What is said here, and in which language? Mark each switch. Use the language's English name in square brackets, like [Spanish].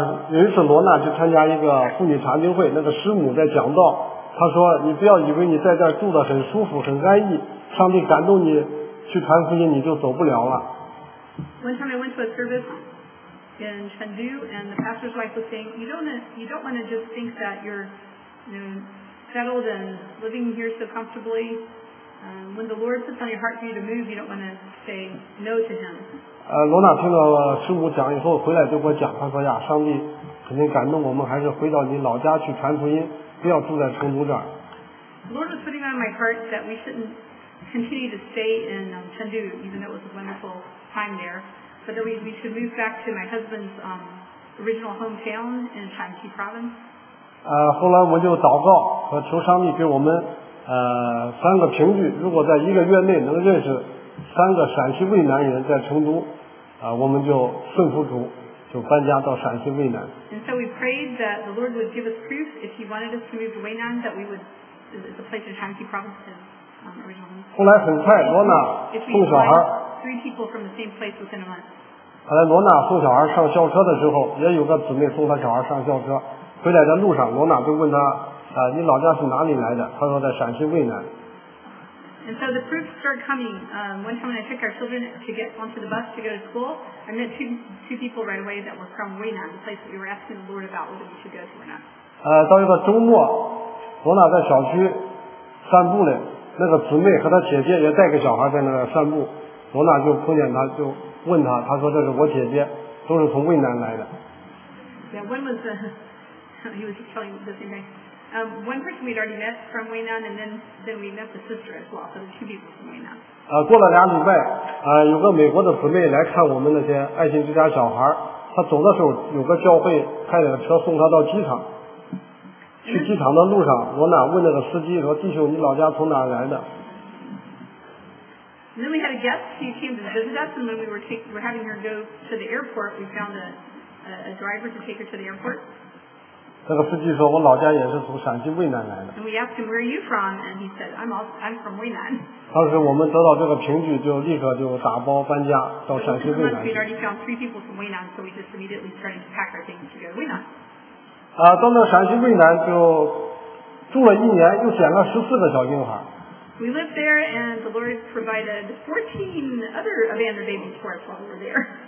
[Chinese] 有一次罗娜去参加一个妇女查经会，那个师母在讲道。他说：“你不要以为你在这儿住得很舒服、很安逸，上帝感动你去传福音，你就走不了了。” [English] One time I went to a service in Chengdu, and the pastor's wife was saying, "You don't want to just think that you're, settled and living here so comfortably. When the Lord puts on your heart for you to move, you don't want to say no to Him." [Chinese] 罗娜听到师母讲以后，回来就给我讲，他说呀，上帝肯定感动我们，还是回到你老家去传福音。不要住在成都这儿。 [English] The Lord was putting on my heart that we shouldn't continue to stay in Chengdu, even though it was a wonderful time there, but that we should move back to my husband's original hometown in Shaanxi province. [Chinese] 后来我们就祷告和求上帝给我们三个凭据，如果在一个月内能认识三个陕西渭南人在成都，我们就顺服主，就搬家到陕西渭南。 [English] And so we prayed that the Lord would give us proof if He wanted us to move to 渭南, that we would the place of Shaanxi province is. [Chinese] 后来很快，罗娜送小孩。 [English] Three people from the same place within a month. [Chinese] 后来罗娜送小孩上校车的时候，也有个姊妹送她小孩上校车。回来的路上，罗娜就问她，你老家是哪里来的？她说在陕西渭南。 [English] And so the proof started coming. One time when I took our children to get onto the bus to go to school, I met two people right away that were from 渭南, the place that we were asking the Lord about whether we should go to or not. [Chinese] 到一个周末，罗娜在小区散步呢。那个姊妹和她姐姐也带个小孩在那儿散步，罗娜就碰见她，就问她，她说这是我姐姐，都是从渭南来的。 [English] Yeah, one was he was telling the same thing. One person we'd already met from 渭南, and then we met the sister as well, so there's two people from 渭南. [Chinese] 过了两礼拜，有个美国的姊妹来看我们那些爱心之家小孩，她走的时候有个教会开了车送她到机场。去机场的路上，罗娜问那个司机说：“弟兄，你老家从哪儿来的？” [English] And then we had a guest. She came to visit us, and when we were having her go to the airport, we found a driver to take her to the airport. [Chinese] 那个司机说：“我老家也是从陕西渭南来的。” [English] And we asked him, "Where are you from?" And he said, "I'm from 渭南." [Chinese] 当时我们得到这个凭据，就立刻就打包搬家到陕西渭南。 [English] We'd already found three people from 渭南, so we just immediately started to pack our things to go to 渭南。 [Chinese] 到那陕西渭南就住了一年，又捡了十四个小婴孩。 [English] We lived there, and the Lord provided 14 other abandoned babies for us while we were there.